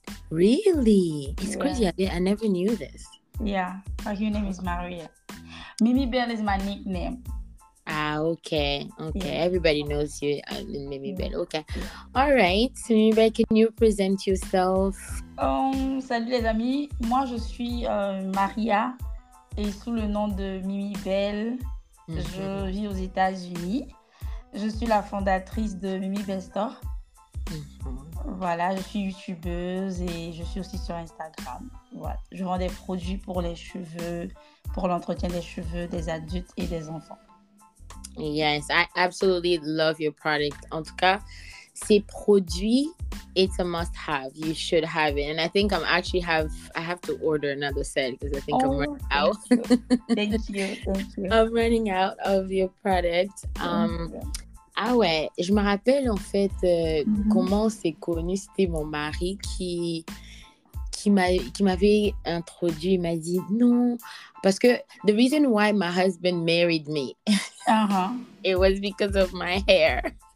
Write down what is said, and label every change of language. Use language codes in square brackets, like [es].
[en] Really? It's crazy. I never knew this. Yeah, my real name is Maria. Mimibelle is my nickname. Okay. Yeah. Everybody knows you, Mimibelle. Okay. All right. Mimibelle, can you present yourself? [fr] Salut les amis. Moi, je suis Maria. Et sous le nom de Mimibelle, je vis aux États-Unis. Je suis la fondatrice de Mimibelle Store. Voilà, je suis youtubeuse et je suis aussi sur Instagram. Voilà, je vends des produits pour les cheveux, pour l'entretien des cheveux des adultes et des enfants. [en] Yes, I absolutely love your product. [fr] En tout cas, ces produits, [en] it's a must have. You should have it. And I think I'm actually I have to order another set because I think I'm running out. Thank you. I'm running out of your product. [fr] Ah ouais, je me rappelle en fait comment c'est connu. C'était mon mari qui m'avait introduit. Il m'a dit non, parce que [en] the reason why my husband married me, it was because of my hair.